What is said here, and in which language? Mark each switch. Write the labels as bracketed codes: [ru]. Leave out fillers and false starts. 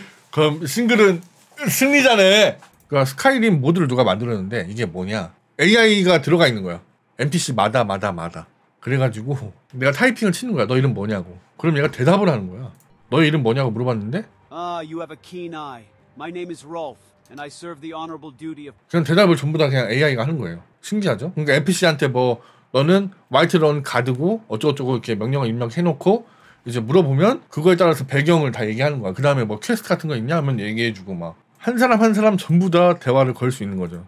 [ko] 그럼 싱글은 승리자네. 그러니까 스카이림 모드를 누가 만들었는데 이게 뭐냐, AI가 들어가 있는 거야. NPC 마다 마다 마다. 그래가지고 내가 타이핑을 치는 거야. 너 이름 뭐냐고. 그럼 얘가 대답을 하는 거야. 너 이름 뭐냐고 물어봤는데 [en] you have a keen eye. My name is Rolf and I serve the honorable duty of. [ko] 그냥 대답을 전부 다 그냥 AI가 하는 거예요. 신기하죠? 그러니까 NPC한테 뭐 너는 화이트 런 가드고 어쩌고저쩌고 이렇게 명령을 입력해놓고 이제 물어보면 그거에 따라서 배경을 다 얘기하는 거야. 그 다음에 뭐 퀘스트 같은 거 있냐 하면 얘기해주고 막 한 사람 한 사람 전부 다 대화를 걸 수 있는 거죠.